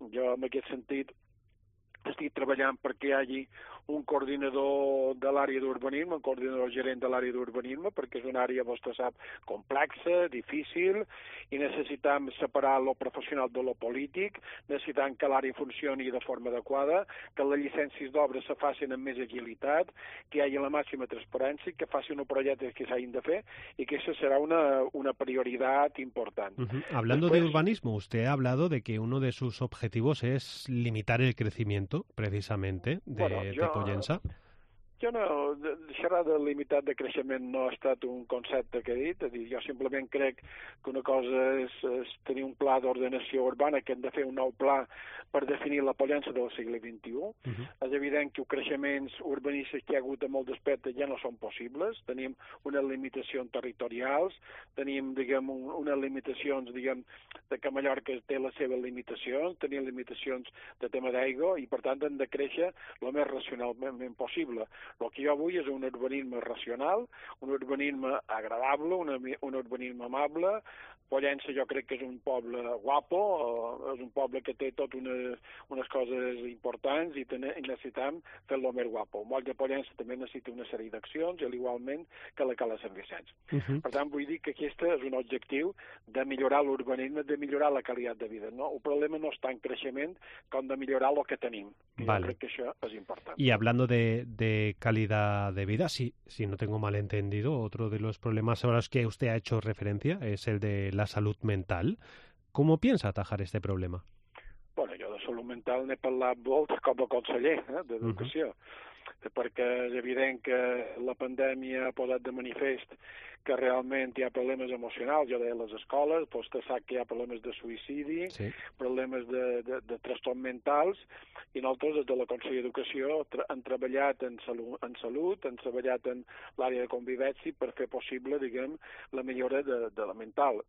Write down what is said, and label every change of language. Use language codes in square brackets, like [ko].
[ca] Jo, en aquest sentit, estic treballant perquè hi hagi un coordinador de l'àrea d'urbanisme, un coordinador gerent de l'àrea d'urbanisme, perquè és una àrea, vostè sap, complexa, difícil, i necessitem separar lo professional de lo polític, necessitem que l'àrea funcioni de forma adequada, que les llicències d'obres se facin amb més agilitat, que hi hagi la màxima transparència, que faci un projecte que s'hagin de fer, i que això serà una prioritat important. [es] Hablando de urbanismo, usted ha hablado de que uno de sus objetivos es limitar el crecimiento, precisamente, de Pollença. [ca] Jo no, xerrar de limitat de creixement no ha estat un concepte que he dit, és a dir, jo simplement crec que una cosa és tenir un pla d'ordenació urbana, que hem de fer un nou pla per definir la Pollença del segle XXI. És evident que els creixements urbanístics que hi ha hagut en molts aspectes ja no són possibles, tenim unes limitacions territorials, tenim, diguem, unes limitacions, diguem, de que Mallorca té les seves limitacions, tenim limitacions de tema d'aigua, i per tant hem de créixer el més racionalment possible. El que jo vull és un urbanisme racional, un urbanisme agradable, un urbanisme amable. Pollença jo crec que és un poble guapo, és un poble que té tot unes coses importants i necessitem fer-lo més guapo. El moll de Pollença també necessita una sèrie d'accions, igualment que la Cala Sant Vicenç. Per tant, vull dir que aquest és un objectiu de millorar l'urbanisme, de millorar la qualitat de vida. No? El problema no està en creixement, com de millorar el que tenim. [es] Vale. [ca] Jo crec que això és important. [es] I hablando de calidad de vida, si no tengo mal entendido, otro de los problemas a los que usted ha hecho referencia es el de la salud mental. ¿Cómo piensa atajar este problema? [ca] Bueno, jo de salut mental n'he parlat molt com a conseller d'Educació, perquè és evident que la pandèmia ha posat de manifest que realment hi ha problemes emocionals, jo deia a les escoles, doncs que sap que hi ha problemes de suïcidi, sí, problemes de trastorns mentals, i nosaltres des de la Conselleria d'Educació hem treballat en salut, hem treballat en l'àrea de convivència per fer possible, diguem, la millora de la mental.